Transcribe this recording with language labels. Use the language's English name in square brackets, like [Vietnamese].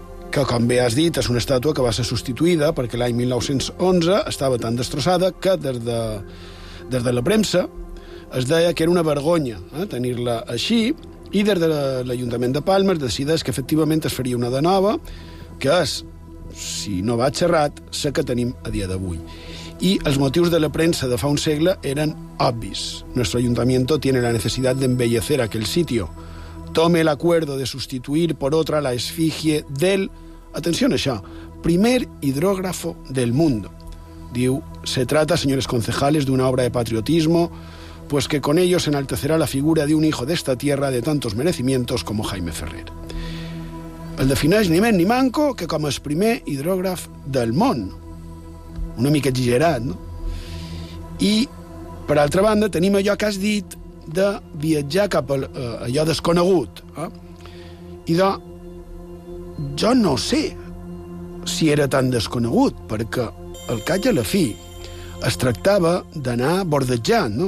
[Catalan] que, com bé has dit, és una estàtua que va ser substituïda perquè l'any 1911 estava tan destrossada que des de la premsa es deia que era una vergonya tenir-la així, i des de l'Ajuntament de Palma es decideix que efectivament es faria una de nova, que és, si no vaig errat, la que tenim a dia d'avui. I els motius de la premsa de fa un segle eren obvis. [Spanish] Nuestro ayuntamiento tiene la necesidad de embellecer aquel sitio. Tome el acuerdo de sustituir por otra la esfigie del... Atención [Catalan] a això. [Spanish] Primer hidrógrafo del mundo. [Catalan] Diu, [Spanish] se trata, señores concejales, de una obra de patriotismo, pues que con ellos enaltecerá la figura de un hijo de esta tierra de tantos merecimientos como Jaime Ferrer. [Catalan] El defineix ni men ni manco que com el primer hidrògraf del món. Una mica exagerat, no? I, per altra banda, tenim allò que has dit de viatjar cap a allò desconegut. Idò, jo no sé si era tan desconegut, perquè al cap i a la fi es tractava d'anar bordejant, no?